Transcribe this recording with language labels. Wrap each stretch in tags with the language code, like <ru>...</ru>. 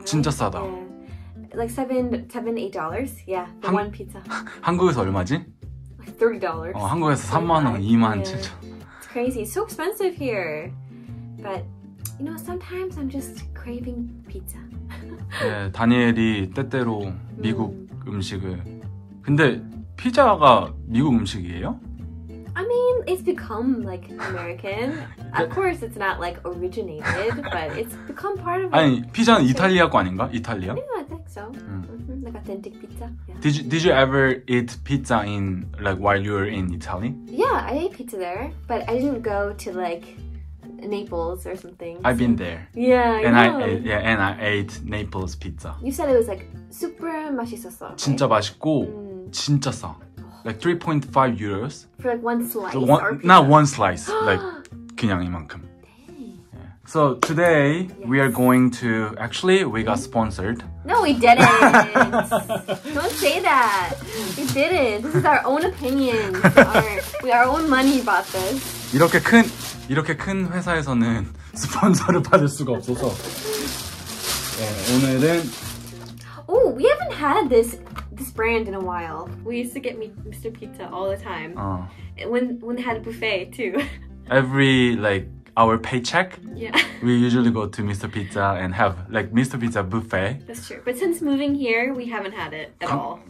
<ko>진짜 싸다.</ko> <en>Yeah. Like $7, $8. Yeah, for one pizza.</en> <ko>한국에서 얼마지?</ko> <en>$3.</en> <ko>어, 한국에서 3만 원, 2만 7천.</ko> <en>Yeah. It's crazy. So expensive here. But you know, sometimes I'm just craving pizza.</en> <ko>네, 다니엘이 때때로 미국 음식을. 근데 피자가 미국 음식이에요?</ko> <en>I mean, it's become like American. Of course, it's not like originated, but it's become part of.</en> <ko>아니, 피자는 이탈리아 거 아닌가? 이탈리아?</ko> <en>Yeah, I think so. Mm-hmm. Like authentic pizza. Yeah. Did you ever eat pizza in like while you were in Italy? Yeah, I ate pizza there, but I didn't go to like. Naples or something. I've been there. And I ate Naples pizza. You said it was like super</en> <ko>맛있었어. 진짜</ko> <en>right?</en> <ko>맛있고 진짜 싸.</ko> <en>Like 3.5 euros for like one slice. So not one slice, like</en> <ko>그냥 이만큼.</ko> <en>Dang. Yeah. So today we are going to actually we got sponsored. No, we didn't. Don't say that. We didn't. This is our own opinion. our own money bought this.</en> <ko>이렇게 큰 회사에서는 스폰서를 받을 수가 없어서 네, 오늘은</ko> <en>Oh, we haven't had this brand in a while. We used to get Mr. Pizza all the time. When they had a buffet too. Every like our paycheck, yeah. We usually go to Mr. Pizza and have like Mr. Pizza buffet. That's true. But since moving here, we haven't had it at all.</en>